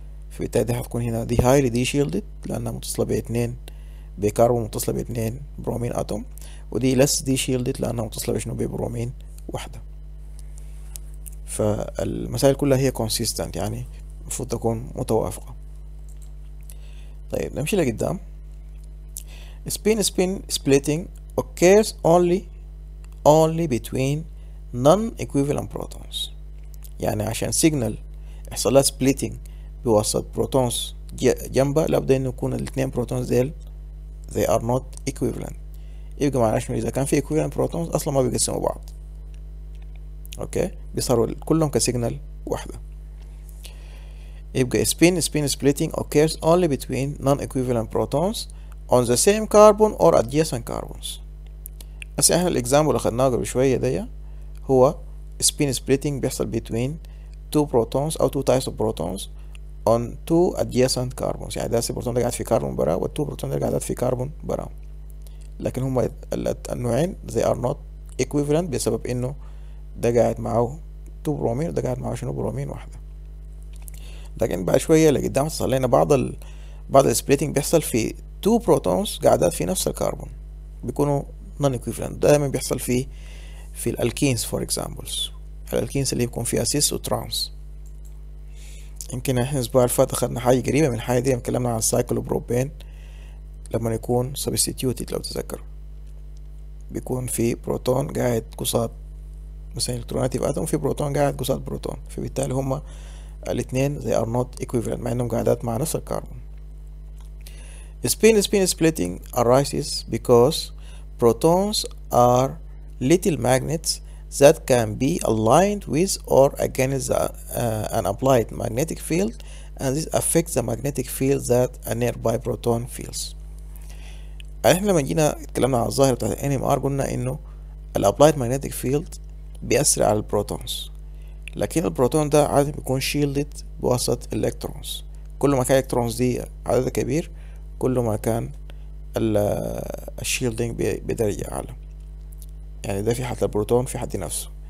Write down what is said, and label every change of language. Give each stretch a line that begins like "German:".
Arabic: فبالتالي دي هتكون هنا دي هايلي دي شيلدد، لأنها متصلة باتنين بكربون متصلة باتنين برومين اتوم، ودي لس دي شيلدت لانها متصلة بشنو؟ ببرومين واحدة. فالمسائل كلها هي كونسيستنت، يعني المفروض تكون متوافقة. طيب نمشي لقدام.
English: Spin spin splitting occurs only between non equivalent protons.
Arabic: يعني عشان سيجنال يحصل لها سبليتنج بواسطة بروتونز جنبها، لابد انه يكون الاثنين بروتونز ديل
English: they are not equivalent.
Arabic: يبقى معناها شنو؟ اذا كان في equivalent protons اصلا ما بيقسموا بعض، اوكي، بيصاروا كلهم كسيجنال واحده.
English: يبقى spin spin splitting occurs only between non equivalent protons on the same carbon or adjacent carbons.
Arabic: بس احنا الاكزامبل اللي اخدناه قبل شويه دي هو
English: spin splitting بيحصل between two protons او two types of protons on two adjacent carbons.
Arabic: يعني ده البروتون ده قاعد في كربون برا، والتو بروتون ده قاعد في كربون برا، لكن هما النوعين
English: they are not equivalent
Arabic: بسبب انه ده قاعد معاه تو برومين وده قاعد معاه شنو؟ برومين واحدة. لكن بعد شوية لقدام هتحصل لنا بعض ال splitting بيحصل في two protons قاعدات في نفس الكربون، بيكونوا non equivalent. دايما بيحصل في في الالكينز فور اكزامبلز، الالكينز اللي يكون فيها سيس وترانس. يمكن احنا الاسبوع اللي فات اخذنا حاجه قريبه من الحاجه دي، اتكلمنا عن السايكلوبروبين لما يكون سبستيتيوتد، لو تذكر بيكون في بروتون قاعد قصاد مثلا الكترونات في اتوم، في بروتون قاعد قصاد بروتون، فبالتالي هما الاثنين
English: they are not equivalent
Arabic: مع انهم قاعدات مع نفس الكربون.
English: spin splitting arises because protons are little magnets that can be aligned with or against an applied magnetic field, and this affects the magnetic field that a nearby proton feels.
Arabic: احنا لما جينا اتكلمنا على الظاهرة بتاعت ال NMR قلنا انه ال applied magnetic field بيأثر على البروتونز، لكن البروتون ده عادة بيكون شيلدت بواسطة الإلكترونز. كل ما كان الإلكترونز دي عددها كبير كل ما كان الشيلدينج بدرجة أعلى، يعني ده في حالة البروتون في حد نفسه.